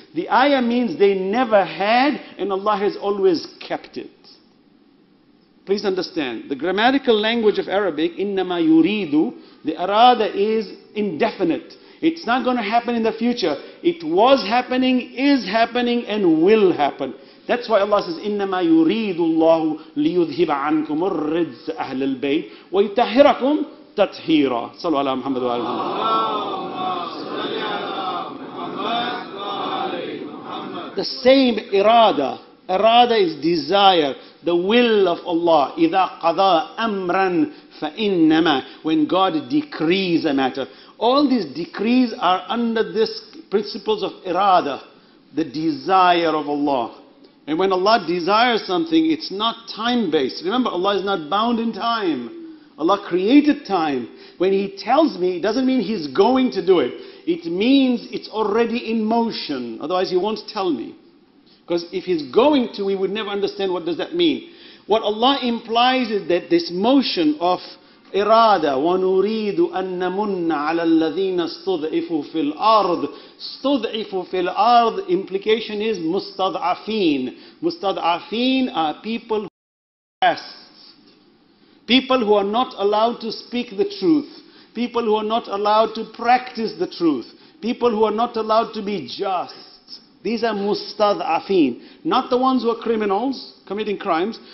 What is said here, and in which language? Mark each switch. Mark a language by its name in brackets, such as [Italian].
[English] The ayah means they never had and Allah has always kept it. Please understand, the grammatical language of Arabic, [Arabic] إِنَّمَا يُرِيدُ, [English] the arada is indefinite. It's not going to happen in the future. It was happening, is happening, and will happen. That's why Allah says, [Arabic] إِنَّمَا يُرِيدُ اللَّهُ لِيُذْهِبَ عَنْكُمُ الرِّجْزَ أَهْلِ الْبَيْتِ وَيُطَهِّرَكُمْ تَطْهِيرًا. صلى الله عليه محمد وآل محمد. [English] The same irada. Irada is desire. The will of Allah. [Arabic] إِذَا قَضَى أَمْرًا فَإِنَّمَا. [English] When God decrees a matter. All these decrees are under this principles of irada, the desire of Allah. And when Allah desires something, it's not time-based. Remember, Allah is not bound in time. Allah created time. When He tells me, it doesn't mean He's going to do it. It means it's already in motion. Otherwise, He won't tell me. Because if He's going to, we would never understand what does that mean. What Allah implies is that this motion of irada, [Arabic] وَنُرِيدُ أَن نَمُنَّ عَلَى الَّذِينَ اسْتُضْعِفُوا فِي الْأَرْضِ. اسْتُضْعِفُوا فِي الْأَرْضِ, [English] implication is [Arabic] مُسْتَضْعَفِينَ. [English] مُسْتَضْعَفِينَ are people who are oppressed. People who are not allowed to speak the truth. People who are not allowed to practice the truth. People who are not allowed to be just. These are مُسْتَضْعَفِينَ. Not the ones who are criminals, committing crimes.